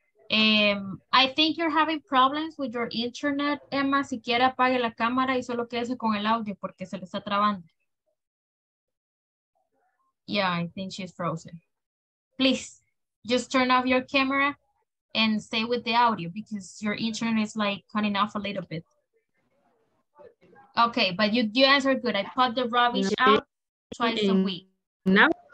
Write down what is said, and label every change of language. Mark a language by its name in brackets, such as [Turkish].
[English] I think you're having problems with your internet, Emma. [Spanish] Si quiere apague la cámara y solo quédese con el audio porque se le está trabando. [English] Yeah, I think she's frozen. Please, just turn off your camera and stay with the audio because your internet is like cutting off a little bit. Okay, but you answered good. I put the rubbish out twice a week. No.